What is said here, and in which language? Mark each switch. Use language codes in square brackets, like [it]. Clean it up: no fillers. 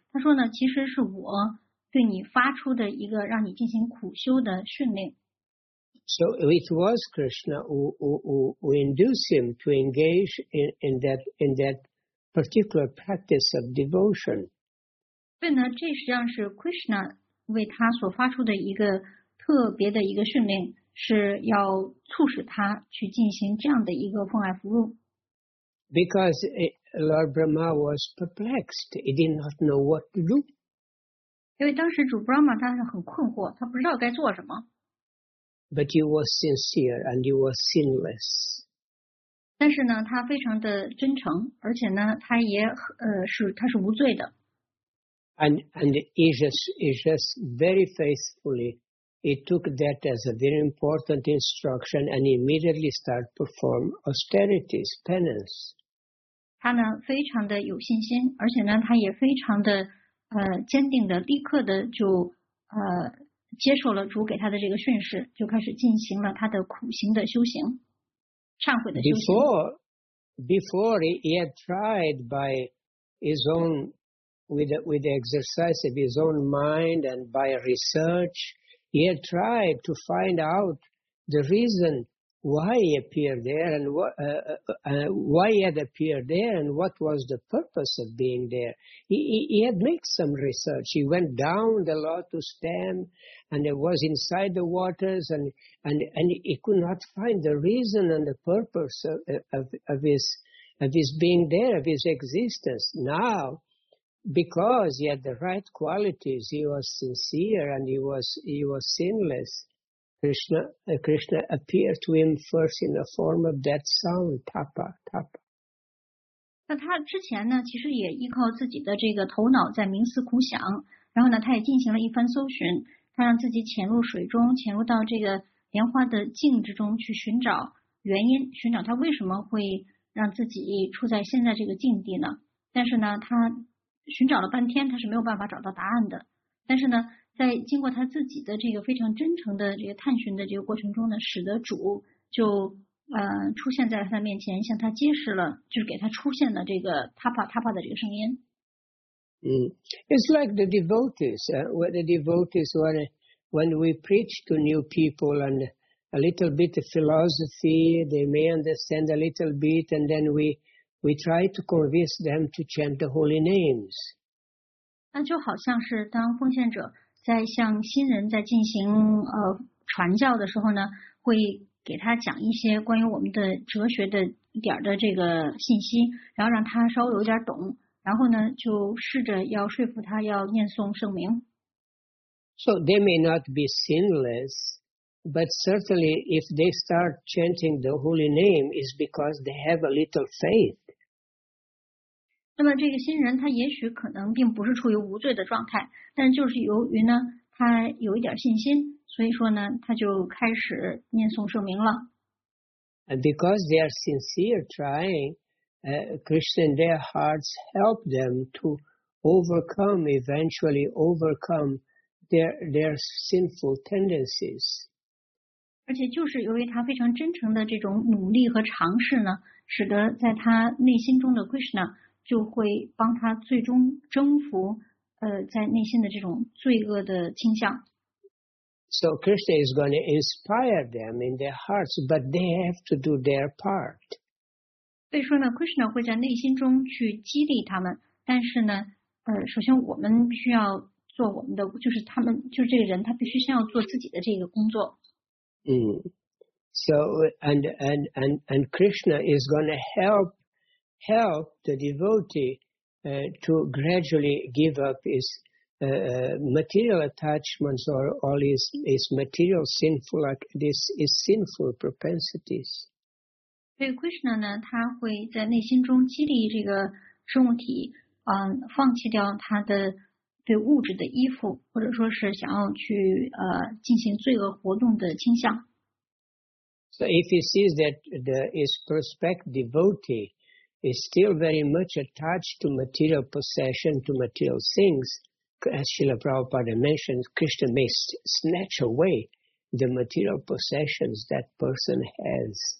[zh] 他说呢，其实是我对你发出的一个让你进行苦修的训练。So [en] it was Krishna who induced him to engage in that particular practice of devotion. [zh] 对呢，这实际上是 Krishna 为他所发出的一个特别的一个训练，是要促使他去进行这样的一个奉爱服务。 [en] Because Lord Brahma was perplexed, he did not know what to do. [zh] 因为当时主 Brahma 他是很困惑，他不知道该做什么。 [en] But he was sincere and he was sinless. [zh] 但是呢，他非常的真诚，而且呢，他是无罪的。 [en] And he just very faithfully he took that as a very important instruction and immediately started perform austerities, penance. [zh] 他呢非常的有信心，而且呢他也非常的坚定的立刻的就接受了主给他的这个训示，就开始进行了他的苦行的修行，忏悔的修行。 [en] Before he had tried by his own with the exercise of his own mind and by research, he had tried to find out the reason why he appeared there and why he had appeared there and what was the purpose of being there. He had made some research. He went down the lotus stem and it was inside the waters and he could not find the reason and the purpose of his being there, of his existence. Now, because he had the right qualities, he was sincere and he was sinless. Krishna appeared to him first in the form of that sound, tapa, tapa. [zh] 那他之前呢，其实也依靠自己的这个头脑在冥思苦想，然后呢，他也进行了一番搜寻，他让自己潜入水中，潜入到这个莲花的镜之中去寻找原因，寻找他为什么会让自己处在现在这个境地呢？但是呢，他寻找了半天，他是没有办法找到答案的。但是呢，在经过他自己的这个非常真诚的这个探寻的这个过程中呢，使得主就出现在他面前，向他揭示了，就是给他出现了这个 tapa tapa 的这个声音。 [en] 嗯 ，It's like the devotees. Where the devotees were, when we preach to new people and a little bit of philosophy, they may understand a little bit, and then we try to convince them to chant the holy names. [zh] 那就好像是当奉献者在向新人在进行传教的时候呢，会给他讲一些关于我们的哲学的一点的这个信息，然后让他稍微有点懂，然后呢就试着要说服他要念诵圣名。 [en] So they may not be sinless, but certainly if they start chanting the holy name, is because they have a little faith. [zh] 那么这个新人他也许可能并不是处于无罪的状态，但就是由于呢他有一点信心，所以说呢他就开始念诵圣名了。 [en] And because they are sincere trying, Krishna in their hearts help them to eventually overcome their sinful tendencies. [zh] 而且就是由于他非常真诚的这种努力和尝试呢，使得在他内心中的 Krishna就会帮他最终征服在内心的这种罪恶的倾向。 [en] So Krishna is going to inspire them in their hearts, but they have to do their part. [zh] 所以说呢 ，Krishna 会在内心中去激励他们，但是呢，首先我们需要做我们的，就是他们，就是这个人，他必须先要做自己的这个工作。 [en] So and Krishna is going to help the devotee to gradually give up his material attachments or all his material sinful, like this is sinful propensities. [zh] 所以 Krishna 呢，他会在内心中激励这个生物体，放弃掉他的对物质的依附，或者说是想要去进行罪恶活动的倾向。 [en] So if he sees that his prospective devotee is still very much attached to material possession, to material things, as Srila Prabhupada mentioned, Krishna may snatch away the material possessions that person has.